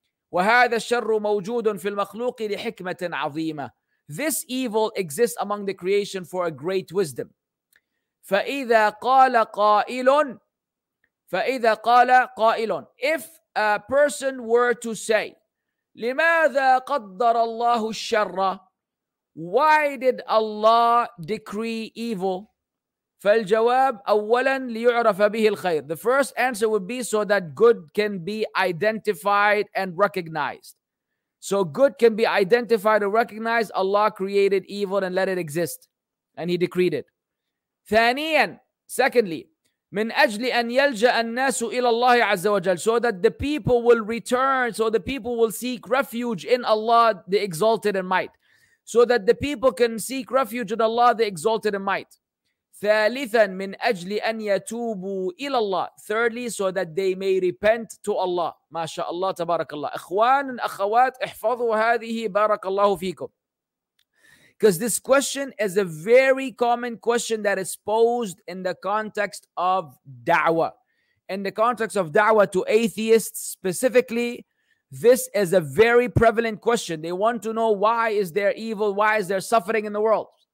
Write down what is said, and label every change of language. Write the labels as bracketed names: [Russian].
[Arabic] وهذا الشر موجود في المخلوق لحكمة عظيمة. [English] This evil exists among the creation for a great wisdom. [Arabic] فإذا قال قائل [English] if a person were to say, [Arabic] لماذا قدر الله الشر, [English] why did Allah decree evil? [Arabic] فالجواب أولا ليعرف به الخير. [English] The first answer would be so that good can be identified and recognized. So good can be identified and recognized. Allah created evil and let it exist, and He decreed it. [Arabic] ثانيا, [English] secondly, [Arabic] من أجل أن يلجأ الناس إلى الله عز وجل, [English] so that the people will return, so the people will seek refuge in Allah, the Exalted and Might. So that the people can seek refuge in Allah, the Exalted and Might. [Arabic] ثالثا, من أجل أن يتوبوا إلى الله. [English] Thirdly, so that they may repent to Allah. [Arabic] ما شاء الله تبارك الله. إخوان أخوات احفظوا هذه بارك الله فيكم. [English] Because this question is a very common question that is posed in the context of da'wah. In the context of da'wah to atheists specifically, this is a very prevalent question. They want to know, why is there evil? Why is there suffering in the world?